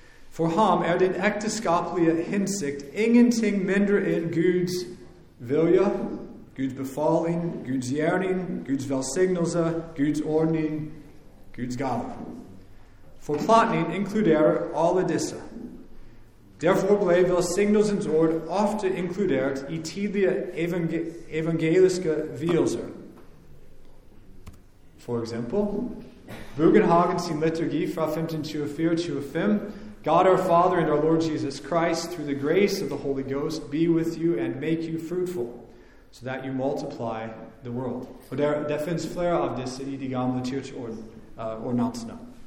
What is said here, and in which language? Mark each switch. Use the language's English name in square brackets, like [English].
[Norwegian] For ham den ekteskapelige hensikt ingenting mindre enn Guds vilje, Guds befaling, Guds gjerning, Guds velsignelse, Guds ordning, Guds gave. For plantning inkluderer alle disse. Derfor ble velsignelsens ord ofte inkludert i tidlige evangeliske vielser. For eksempel, Bugenhagen sin liturgi fra 1524-25, [English] God our Father and our Lord Jesus Christ, through the grace of the Holy Ghost, be with you and make you fruitful, so that you multiply the world. [Norwegian] Og det finnes flere av disse i de gamle kirkeordnansene.